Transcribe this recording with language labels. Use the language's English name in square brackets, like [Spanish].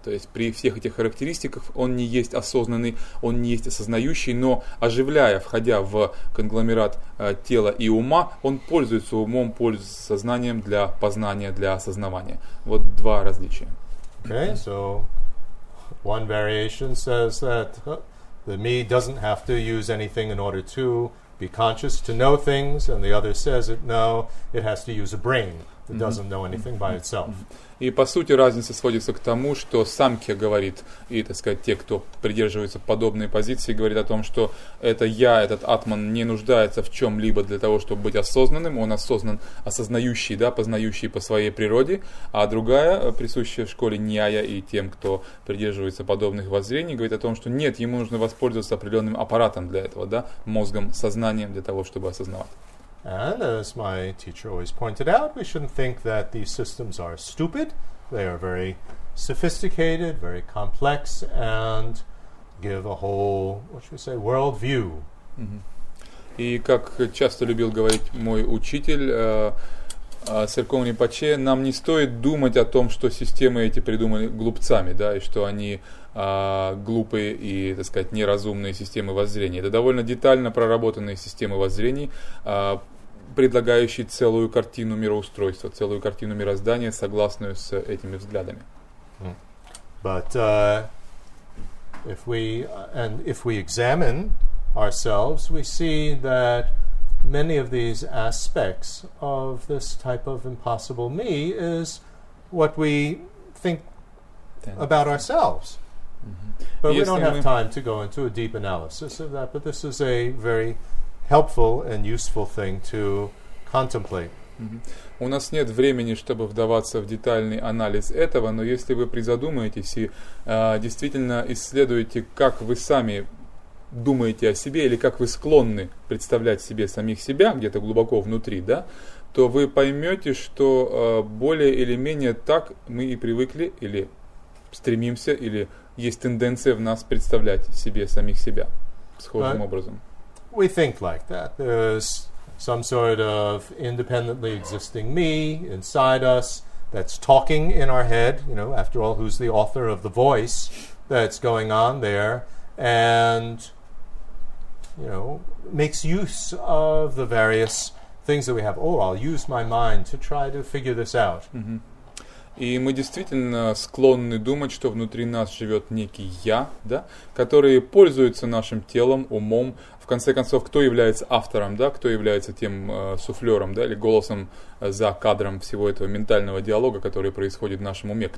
[Russian] То есть при всех этих характеристиках он не есть осознанный, он не есть осознающий, но оживляя, входя в конгломерат тела и ума, он пользуется умом, пользуется сознанием для познания, для осознавания. Вот два различия. [English] Okay, so one variation says that the me doesn't have to use anything in order to be conscious, to know things, and the other says that no, it has to use a brain that doesn't know anything by itself. [Russian] И по сути разница сводится к тому, что Самкья говорит, и, так сказать, те, кто придерживается подобной позиции, говорит о том, что это я, этот атман, не нуждается в чем-либо для того, чтобы быть осознанным. Он осознан, осознающий, да, познающий по своей природе. А другая, присущая в школе Ньяя и тем, кто придерживается подобных воззрений, говорит о том, что нет, ему нужно воспользоваться определенным аппаратом для этого, да, мозгом, сознанием для того, чтобы осознавать. [English] And as my teacher always pointed out, we shouldn't think that these systems are stupid. They are very sophisticated, very complex, and give a whole, what should we say, world view. [Russian] И как часто любил говорить мой учитель, Церковь Ринпоче, нам не стоит думать о том, что системы эти придуманы глупцами, да, и что они глупые и, так сказать, неразумные системы воззрения. Это довольно детально проработанные системы воззрений, предлагающие целую картину мироустройства, целую картину мироздания, согласную с этими взглядами. [English] But if we examine ourselves, we see that many of these aspects of this type of impossible me is what we think about ourselves. Mm-hmm. But we don't have time to go into a deep analysis of that, but this is a very helpful and useful thing to contemplate. [Russian] У нас нет времени, чтобы вдаваться в детальный анализ этого, но если вы призадумаетесь и действительно исследуете, как вы сами думаете о себе или как вы склонны представлять себе самих себя где-то глубоко внутри, да, то вы поймете, что более или менее так мы и привыкли или стремимся, или есть тенденция в нас представлять себе самих себя схожим образом. [English] We think like that. There's some sort of independently existing me inside us that's talking in our head. You know, after all, who's the author of the voice that's going on there? And, you know, makes use of the various things that we have. Oh, I'll use my mind to try to figure this out. [Russian] И мы действительно склонны думать, что внутри нас живет некий «я», да, который пользуется нашим телом, умом. В конце концов, кто является автором, да, кто является тем суфлером, да, или голосом за кадром всего этого ментального диалога, который происходит в нашем уме?